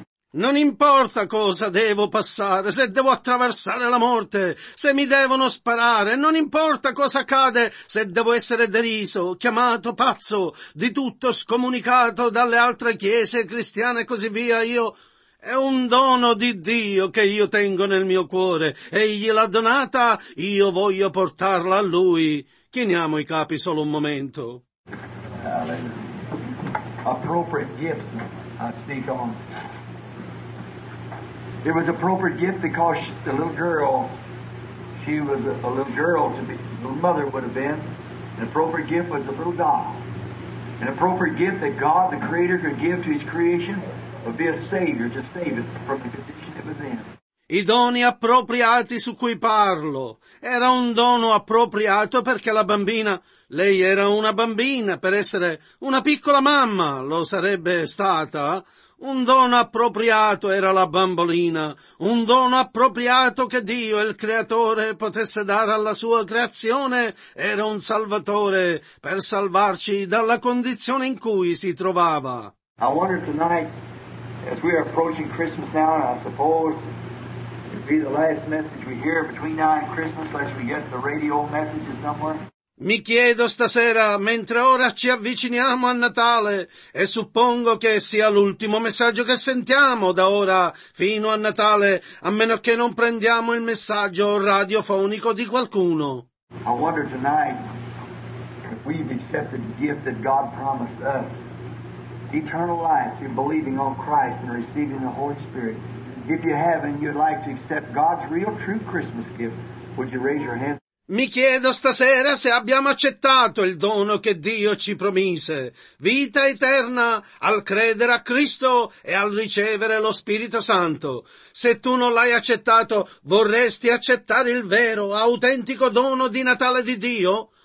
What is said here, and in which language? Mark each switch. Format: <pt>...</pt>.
<it>Non importa cosa devo passare, se devo attraversare la morte, se mi devono sparare, non importa cosa accade, se devo essere deriso, chiamato pazzo, di tutto scomunicato dalle altre chiese cristiane e così via, io è un dono di Dio che io tengo nel mio cuore, egli l'ha donata, io voglio portarla a lui. Chiniamo i capi solo un momento.</it> <en>Appropriate gifts I speak on. It was appropriate gift because the little girl, she was a little girl to be, the mother would have been. An appropriate gift was the little doll. An appropriate gift that God, the Creator, could give to His creation would be a Savior to save it from the condition it was in.</en> <it>I doni appropriati su cui parlo. Era un dono appropriato perché la bambina, lei era una bambina, per essere una piccola mamma lo sarebbe stata. Un dono appropriato era la bambolina. Un dono appropriato che Dio, il Creatore, potesse dare alla sua creazione era un Salvatore per salvarci dalla condizione in cui si trovava.</it> <en>I wonder tonight, as we are approaching Christmas now, I suppose it'll be the last message we hear between now and Christmas, lest we get the radio messages somewhere.</en> <it>Mi chiedo stasera, mentre ora ci avviciniamo a Natale, e suppongo che sia l'ultimo messaggio che sentiamo da ora fino a Natale, a meno che non prendiamo il messaggio radiofonico di qualcuno.</it> <en>I wonder tonight if we've accepted the gift that God promised us, eternal life through believing on Christ and receiving the Holy Spirit. If you haven't, you'd like to accept God's real true Christmas gift, would you raise your hand?</en> <it>Mi chiedo stasera se abbiamo accettato il dono che Dio ci promise, vita eterna al credere a Cristo e al ricevere lo Spirito Santo. Se tu non l'hai accettato, vorresti accettare il vero, autentico dono di Natale di Dio?</it>